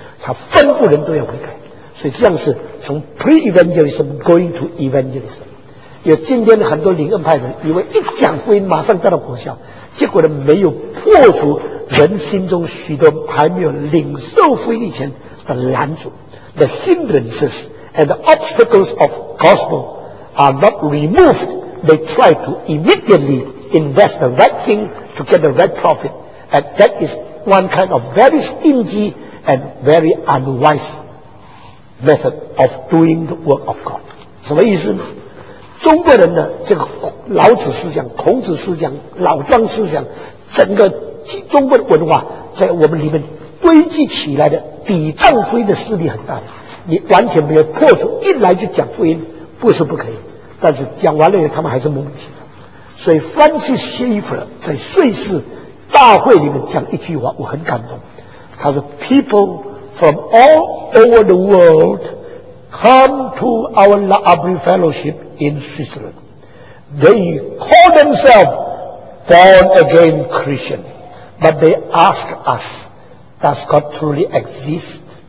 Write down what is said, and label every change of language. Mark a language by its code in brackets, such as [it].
[zh] 他吩咐人都要悔改，所以这样是从 pre-evangelism [en] going to evangelism。 [zh] 有今天的很多灵恩派人，以为一讲福音马上得到果效，结果呢，没有破除人心中许多还没有领受福音以前的拦阻。 [en] The hindrances and the obstacles of gospel are not removed. They try to immediately invest the right thing to get the right profit. And that is one kind of very stingy and very unwise method of doing the work of God. [zh] 什么意思呢？中国人的这个老子思想、孔子思想、老庄思想，整个中国的文化在我们里面堆积起来的抵抗福音的势力很大，你完全没有破除，一来就讲福音不是不可以，但是讲完了以后他们还是蒙起的。所以凡是西弗在瑞士大会里面讲一句话我很感动，他说 [en] People from all over the world come to our Laabri Fellowship in Switzerland, they call themselves born again Christian, but they ask usDoes God truly exist?